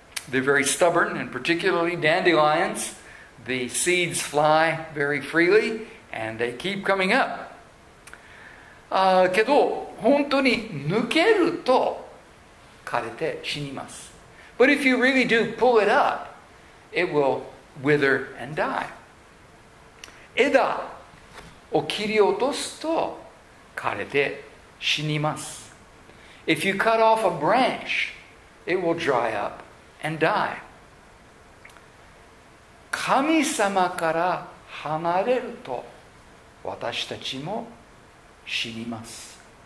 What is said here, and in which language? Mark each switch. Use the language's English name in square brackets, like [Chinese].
[English] They're very stubborn, and particularly dandelions. The seeds fly very freely, and they keep coming up. [Japanese] けど本当に抜けると枯れて死にます。 [English] But if you really do pull it up, it will wither and die. [Japanese] 枝を切り落とすと枯れて死にます。 [English] If you cut off a branch, it will dry up and die. [Japanese] 神様から離れると私たちも死にます。